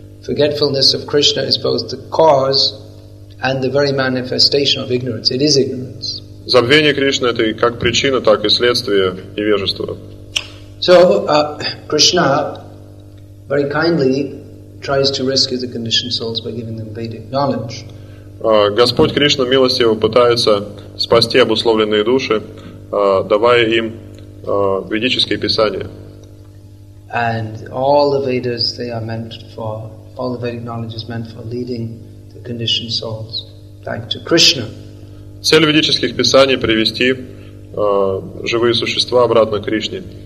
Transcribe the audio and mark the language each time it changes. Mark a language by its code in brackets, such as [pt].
[en] Forgetfulness of Krishna is both the cause and the very manifestation of ignorance. It is ignorance. [ru] Забвение Кришны — это как причина, так и следствие невежества. [en] So Krishna very kindly tries to rescue the conditioned souls by giving them Vedic knowledge. [ru] Господь Кришна милостиво пытается спасти обусловленные души, давая им ведические писания. [en] And all the Vedas, they are meant for, all the Vedic knowledge is meant for leading the conditioned souls back to Krishna. [ru] Цель ведических писаний — привести живые существа обратно к Кришне.